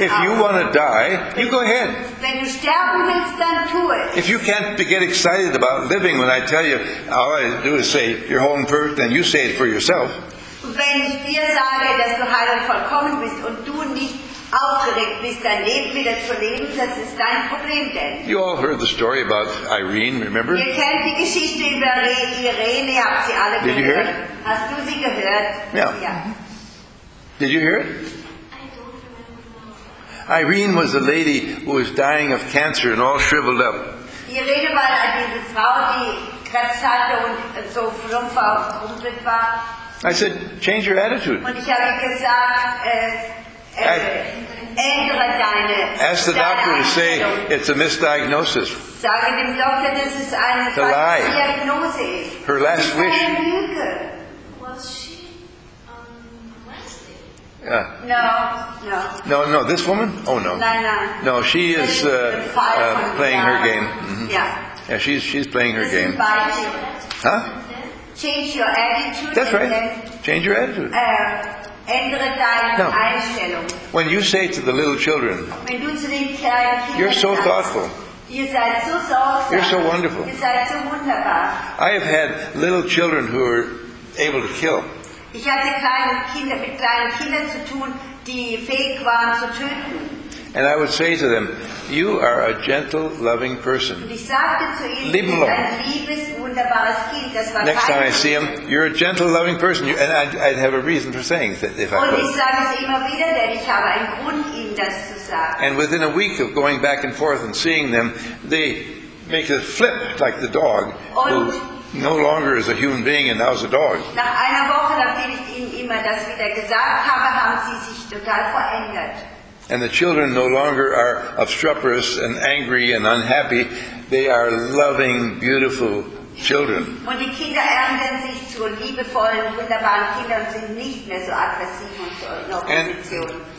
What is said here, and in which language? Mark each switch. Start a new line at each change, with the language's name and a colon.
English: if you want to die, you go ahead.
German: Wenn du sterben willst, dann tu es.
English: If you can't get excited about living when I tell you, all I do is say you're whole and perfect, then you say it for yourself.
German: Wenn ich dir sage, dass du heil und vollkommen bist und du nicht aufgeregt bist, dein Leben wieder zu leben, das ist dein Problem denn.
English: You all heard the story about Irene, remember?
German: Ihr kennt die Geschichte über Irene, habt sie alle gehört.
English: Did you hear it?
German: Hast du sie gehört?
English: Yeah. Did you hear it? I don't remember. Irene was a lady who was dying of cancer and all shriveled up.
German: Irene war diese Frau, die Krebs hatte und so schrumpf aufgerumpelt war.
English: I said, change your attitude.
German: Und ich habe gesagt,
English: ask the doctor to say it's a misdiagnosis.
German: Sage dem Doktor, das ist eine falsche Diagnose.
English: Her last wish. Was she Wednesday? No. This woman? Oh no. No. No, she is playing her game. Mm-hmm. Yeah. Yeah, she's playing her game. Huh? Change your attitude. That's right. Change your attitude. No. When you say to the little children,
German: wenn du zu den kleinen Kindern
English: you're so thoughtful,
German: ihr seid so sorgsam,
English: you're so wonderful,
German: ihr seid so wunderbar.
English: I have had little children who are able to kill.
German: Ich hatte kleine Kinder, mit kleinen Kindern zu tun, die fähig waren zu töten.
English: And I would say to them, you are a gentle, loving person. Leave them alone. Next time I see them, you're a gentle, loving person. And I'd have a reason for saying that if I could. And within a week of going back and forth and seeing them, they make a flip like the dog. No longer is a human being and now is a dog.
German: Nach einer Woche, nachdem ich ihnen immer das wieder gesagt habe, haben sie sich total verändert.
English: And the children no longer are obstreperous and angry and unhappy. They are loving, beautiful, children.
German: Und die Kinder ernten sich zu liebevollen, wunderbaren Kindern und sind nicht mehr so aggressiv und so in Opposition.